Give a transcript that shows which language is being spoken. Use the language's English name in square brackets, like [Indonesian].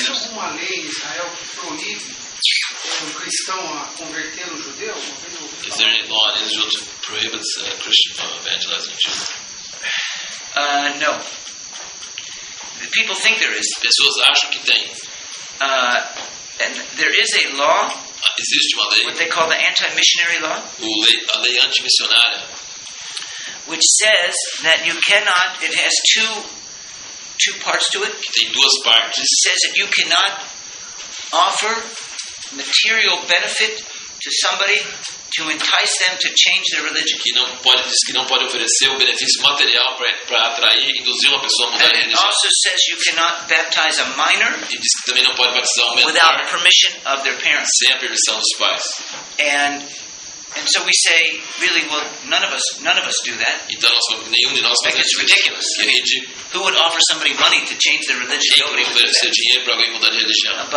[Portuguese] Existe alguma lei em Israel que proíbe um cristão a converter um judeu? [English] Is there any law in Israel that prohibits a Christian from evangelizing a Jew? No. People think there is. [Portuguese] Pessoas acham que tem. [English] And there is a law. [Portuguese] Existe uma lei. [English] What they call the anti-missionary law. [Portuguese] A lei anti-missionária. [English] Which says that you cannot. It has two parts to it. [Portuguese] Tem duas partes. [English] It says that you cannot offer material benefit to somebody to entice them to change their religion. [Portuguese] Que não pode oferecer o benefício material para atrair, induzir uma pessoa a mudar [English] and [Portuguese] a religião. [English] It also says you cannot baptize a minor [Portuguese] e diz que também não pode batizar um menor [English] without permission of their parents. [Portuguese] Sem a permissão dos pais. [English] And And so we say, really, well, none of us do that. [Portuguese] Então nós falamos, nenhum de nós faz isso. [English] Ridiculous. [Portuguese] Que é ridículo. [English] Who would offer somebody money to change their religion? [Portuguese] Quem poderia oferecer dinheiro para alguém mudar de religião?